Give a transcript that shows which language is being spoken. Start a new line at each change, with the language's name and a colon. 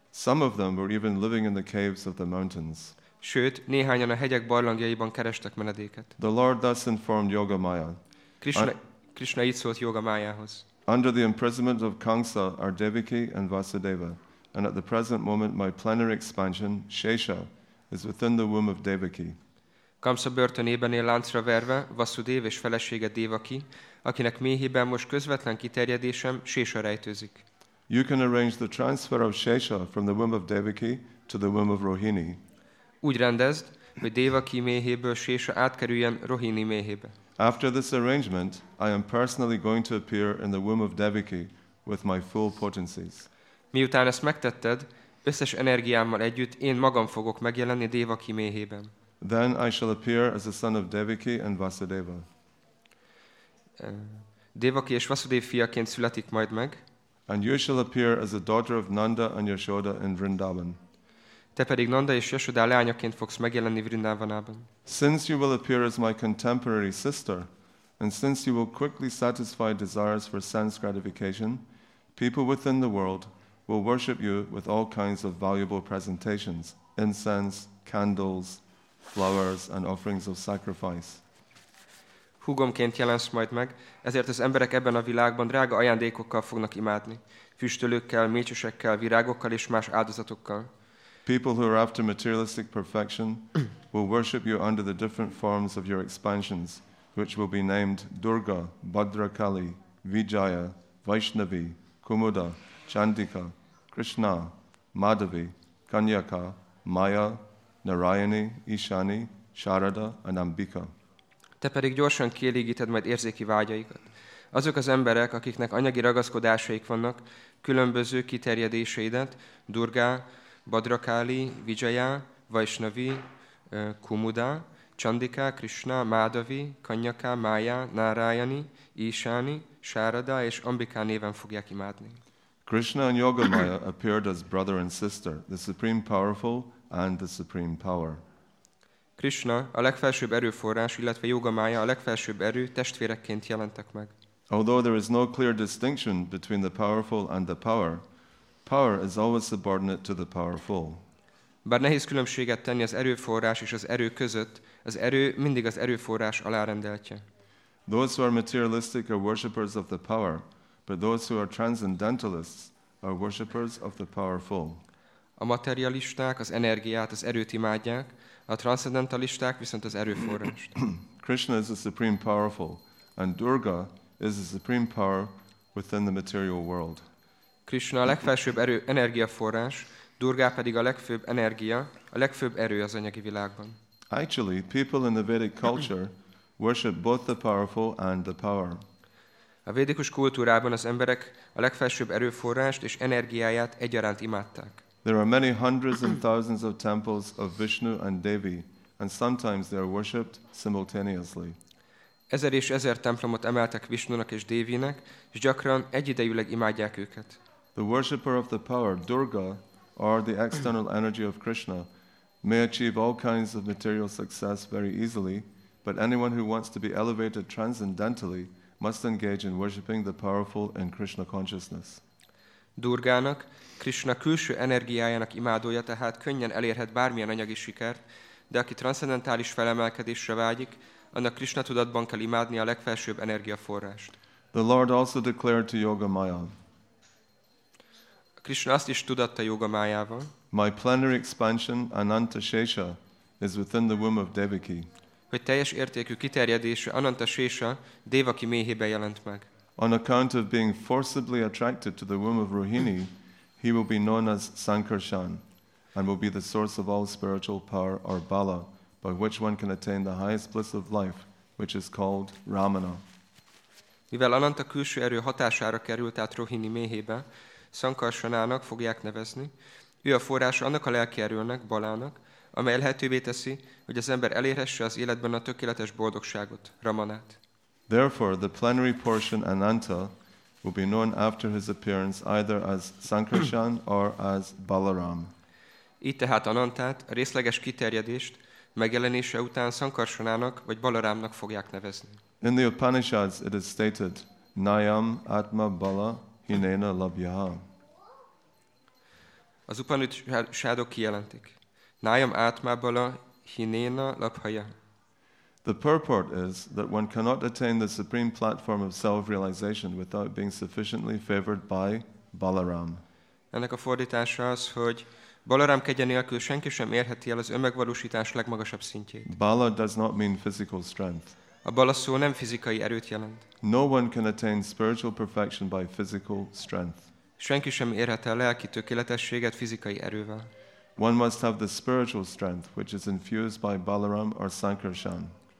English: Some of them were even living in the caves of the mountains.
Hungarian: Sőt, néhányan a hegyek barlangjaiban kerestek menedéket.
English: The Lord thus informed Yogamaya.
Hungarian: Krishna így szólt Yogamayához.
English: Under the imprisonment of Kamsa are Devaki and Vasudeva, and at the present moment my plenary expansion, Shesha, is within the womb of Devaki.
Hungarian: Kamsa börtönében él láncra verve Vasudev és felesége Devaki, akinek méhében most közvetlen kiterjedésem Shesha rejtőzik.
English: You can arrange the transfer of Shesha from the womb of Devaki to the womb of Rohini.
Hungarian: Úgy rendezd, hogy Devaki méhéből Shesha átkerüljen Rohini méhébe.
English: After this arrangement, I am personally going to appear in the womb of Devaki with my full potencies.
Hungarian: Miután ezt megtetted, összes energiámmal együtt én magam fogok megjelenni Devaki méhében.
English: Then I shall appear as the son of Devaki and Vasudeva.
Hungarian: Devaki és Vasudev fiaként születik majd meg.
English: And you shall appear as the daughter of Nanda and Yashoda in Vrindavan.
Hungarian: Te pedig Nanda és Yashoda leányaként fogsz megjelenni Vrindavanában.
English: Since you will appear as my contemporary sister, and since you will quickly satisfy desires for sense gratification, people within the world will worship you with all kinds of valuable presentations, incense, candles, flowers, and offerings of sacrifice.
Hungarian: Húgomként jelensz majd meg, ezért az emberek ebben a világban drága ajándékokkal fognak imádni, füstölőkkel, mécsesekkel, virágokkal és más áldozatokkal.
English: People who are after materialistic perfection will worship you under the different forms of your expansions, which will be named Durga, Bhadrakali, Vijaya, Vaishnavi, Kumuda, Chandika, Krishna, Madhavi, Kanyaka, Maya, Narayani, Ishani, Sharada, and Ambika.
Hungarian: Te pedig gyorsan kielégíted majd érzéki vágyaikat. Azok az emberek, akiknek anyagi ragaszkodásaik vannak, különböző kiterjedéseidet, Durga, Bhadrakali, Vijaya, Vaishnavi, Kumuda, Chandika, Krishna, Madhavi, Kanyaka, Maya, Narayani, Ishani, Sharada és Ambika néven fogják imádni.
English: Krishna and Yogamaya appeared as brother and sister, the supreme powerful and the supreme power.
Hungarian: Krishna a legfelsőbb erőforrás, illetve Yogamaya a legfelsőbb erő testvérekként jelentek meg.
English: Although there is no clear distinction between the powerful and the power, power is always subordinate to the powerful.
Hungarian: Bár nehéz különbséget tenni az erőforrás és az erő között, az erő mindig az erőforrás alárendeltje.
English: Those who are materialistic are worshippers of the power, but those who are transcendentalists are worshippers of the powerful.
Hungarian: A materialisták az energiát, az erőt imádják, a transzendentalisták viszont az erőforrást.
English: Krishna is the supreme powerful, and Durga is the supreme power within the material world.
Hungarian: Krishna a legfelsőbb erő, energiaforrás, Durga pedig a legfőbb energia, a legfőbb erő az anyagi világban.
English: Actually, people in the Vedic culture worship both the powerful and the power.
Hungarian: A védikus kultúrában az emberek a legfelsőbb erőforrást és energiáját egyaránt imádták.
English: There are many hundreds and thousands of temples of Vishnu and Devi, and sometimes they are worshipped simultaneously.
Hungarian: Ezer és ezer templomot emeltek Vishnunak és Devinek, és gyakran egyidejűleg imádják őket.
English: The worshipper of the power, Durga, or the external energy of Krishna, may achieve all kinds of material success very easily, but anyone who wants to be elevated transcendentally must engage in worshipping the powerful in Krishna consciousness.
Hungarian: Durgának, Krishna külső energiájának imádója tehát könnyen elérhet bármilyen anyagi sikert, de aki transzendentális felemelkedésre vágyik, annak Krishna tudatban kell imádni a legfelsőbb energiaforrást.
English: The Lord also declared to Yogamaya,
Hungarian: Krishna azt is tudatta Yogamayával.
English: My plenary expansion, Ananta Shesha, is within the womb of Devaki.
Hungarian: Hogy teljes értékű kiterjedése, Ananta Shesha, Devaki méhébe jelent meg.
English: On account of being forcibly attracted to the womb of Rohini, he will be known as Sankarshan, and will be the source of all spiritual power, or Bala, by which one can attain the highest bliss of life, which is called Ramana.
Hungarian: Mivel Ananta külső erő hatására került át Rohini méhébe, Sankarshanának fogják nevezni. Ő a forrása annak a lelki erőnek, Balának, amely lehetővé teszi, hogy az ember elérhesse az életben a tökéletes boldogságot, Ramanát.
English: Therefore, the plenary portion Ananta will be known after his appearance either as Sankarsan or as Balaram.
Hungarian: Így tehát Anantát, a részleges kiterjedést megjelenése után Sankarsanának vagy Balarámnak fogják nevezni.
English: In the Upanishads it is stated,
Sanskrit: Nayam Atma Bala Hinena Labhyaha.
Hungarian: Az Upanishadok kijelentik,
Sanskrit: Nayam Atma Bala Hinena Labhyaha.
English: The purport is that one cannot attain the supreme platform of self-realization without being sufficiently favored by Balaram.
Hungarian: Ennek a fordítása az, hogy Balaram kegye nélkül senki sem érheti el az önmegvalósítás legmagasabb szintjét.
English: Bala does not mean physical strength.
Hungarian: A bala szó nem fizikai erőt jelent.
English: No one can attain spiritual perfection by physical strength.
Hungarian: Senki sem érhet el lelki tökéletességet fizikai erővel.
English: One must have the spiritual strength which is infused by Balaram or Sankarsan.